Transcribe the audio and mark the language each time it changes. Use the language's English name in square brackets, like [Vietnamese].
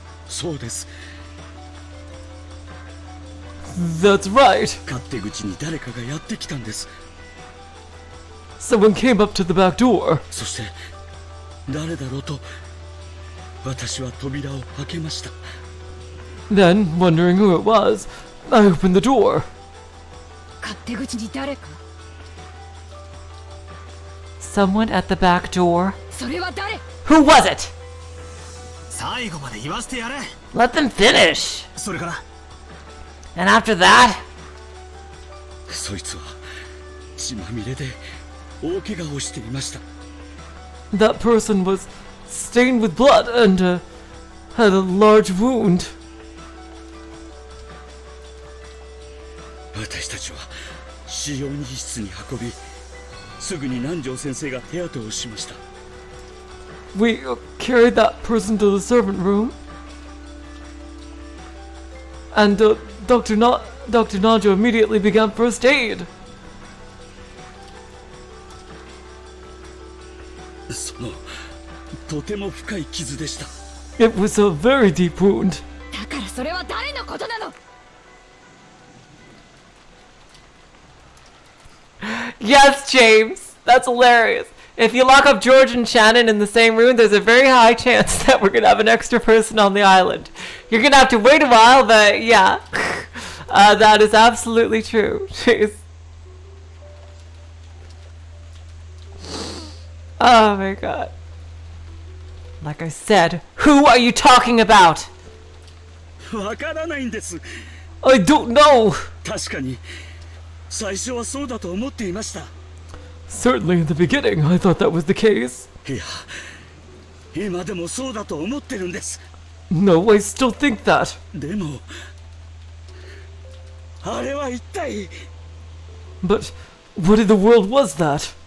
[Japanese] そうです。 [English] That's right. [Japanese] 勝手口に誰かがやってきたんです。 [English] Someone came up to the back door. [Japanese] そして誰だろうと私は扉を開けました。 [English] Then, wondering who it was, I opened the door. [Japanese] 勝手口に誰か。 [English] Someone at the back door. [Japanese] それは誰。 [English] Who was it? [Japanese] 最後まで言わせてやれ。 [English] Let them finish. [Japanese] それから。 [English] And after that? [Japanese] そいつは血まみれで大怪我をしていました。 [English] That person was stained with blood and had a large wound. [Japanese] 私たちは使用人室に運び、すぐに南條先生が手当てをしました。 [English] We carried that person to the servant room. And Dr. Najo immediately began first aid. [Japanese] その、とても深い傷でした。 [English] It was a very deep wound. [Japanese] だからそれは誰のことなの？ [English] Yes, James! That's hilarious! If you lock up George and Shannon in the same room, there's a very high chance that we're gonna have an extra person on the island. You're gonna have to wait a while, but yeah. that is absolutely true. Jeez. Oh my god. Like I said, who are you talking about? I don't know. [Japanese] 確かに、最初はそうだと思っていました。 [English] Certainly, in the beginning, I thought that was the case. [Japanese] Yeah, 今でもそうだと思ってるんです。 [English] No, I still think that. [Japanese] でも、あれは一体…? [English] But what in the world was that?